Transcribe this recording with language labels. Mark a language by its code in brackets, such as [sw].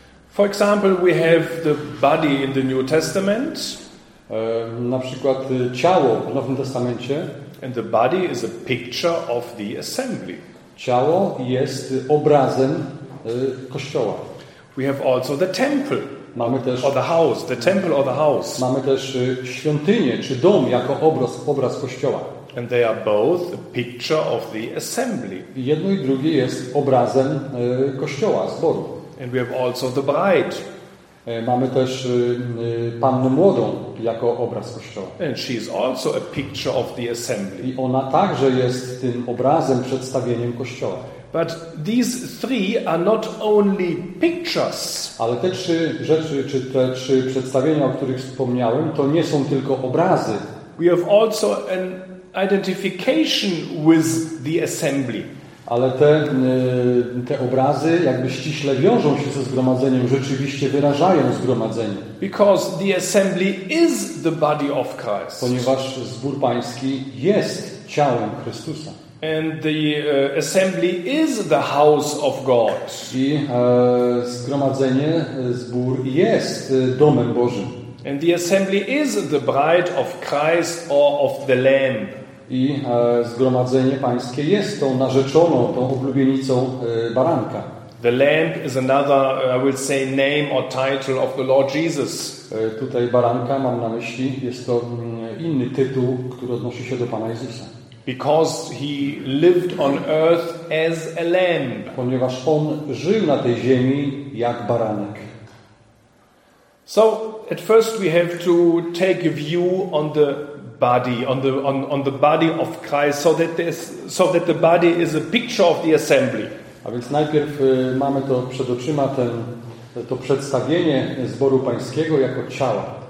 [en] For example, we have the body in the New Testament. [pl] Na przykład ciało w Nowym Testamencie. [en] And the body is a picture of the assembly. [pl] Ciało jest obrazem kościoła. [en] We have also the temple. [pl] Mamy też, [en] or the house, the temple or the house. [pl] Mamy też świątynię czy dom jako obraz kościoła. [en] And they are both a picture of the assembly. [pl] Jedno i drugie jest obrazem kościoła, zboru. [en] And we have also the bride. [pl] Mamy też pannę młodą jako obraz kościoła. [en] And she is also a picture of the assembly. [pl] I ona także jest tym obrazem, przedstawieniem kościoła. [en] But these three are not only pictures. [pl] Ale te trzy rzeczy, czy te trzy przedstawienia, o których wspomniałem, to nie są tylko obrazy. [en] We have also an identification with the assembly. [pl] Ale te obrazy jakby ściśle wiążą się ze zgromadzeniem, rzeczywiście wyrażają zgromadzenie. [en] Because the assembly is the body of Christ. [pl] Ponieważ zbór pański jest ciałem Chrystusa. [en] And the assembly is the house of God. [pl] I zgromadzenie, zbór jest domem Bożym. [en] And the assembly is the bride of Christ or of the Lamb. [pl] I zgromadzenie pańskie jest tą narzeczoną, tą oblubienicą baranka. [en] The Lamb is another, I will say, name or title of the Lord Jesus. [pl] Tutaj baranka mam na myśli, jest to inny tytuł, który odnosi się do Pana Jezusa. [en] Because he lived on earth as a lamb. [pl] Ponieważ on żył na tej ziemi jak baranek. [en] So at first we have to take a view on the body, on the body of Christ, so that the body is a picture of the assembly. [pl] A więc najpierw mamy to przed oczyma to przedstawienie zboru pańskiego jako ciała.